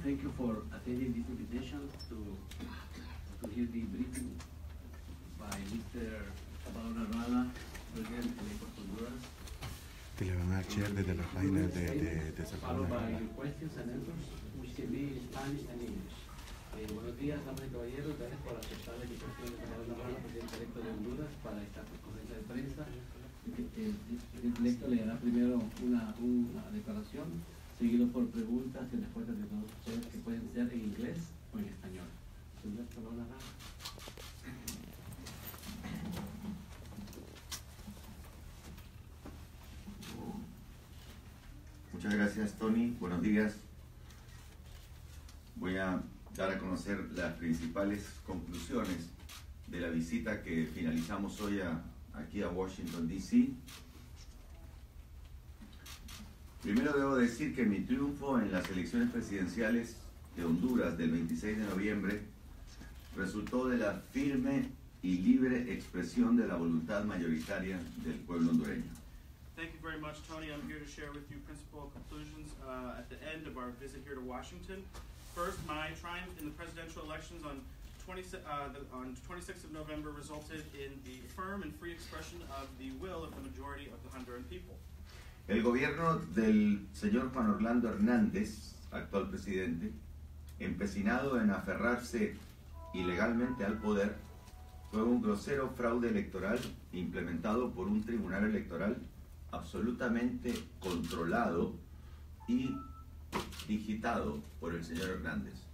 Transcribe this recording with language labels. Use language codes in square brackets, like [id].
[en] Thank you for attending this invitation to hear the briefing by Mr. Pablo Narvala, President of Labor Honduras. [es] Te le van a chair desde la página de San Pablo. [en] Followed by your questions and answers, which can be in Spanish and English. [es] Buenos días, damas y caballeros. Gracias por aceptar la invitación de Pablo Narvala, Presidente electo de Honduras, para esta conferencia de prensa. El electo le hará primero una declaración, seguido por preguntas y respuestas de todos ustedes que pueden ser en inglés o en español. Señor Pablo Narvala. Muchas gracias, Tony. Buenos días. Voy a dar a conocer las principales conclusiones de la visita que finalizamos hoy aquí a Washington, D.C. Primero debo decir que mi triunfo en las elecciones presidenciales de Honduras del 26 de noviembre resultó de la firme y libre expresión de la voluntad mayoritaria del pueblo hondureño. [en] Thank you very much, Tony. I'm here to share with you principal conclusions at the end of our visit here to Washington. First, my triumph in the presidential elections on 26th of November resulted in the firm and free expression of the will of the majority of the Honduran people. [es] El gobierno del señor Juan Orlando Hernández, actual presidente, empecinado en aferrarse ilegalmente al poder, fue un grosero fraude electoral implementado por un tribunal electoral absolutamente controlado y digitado por el señor Hernández.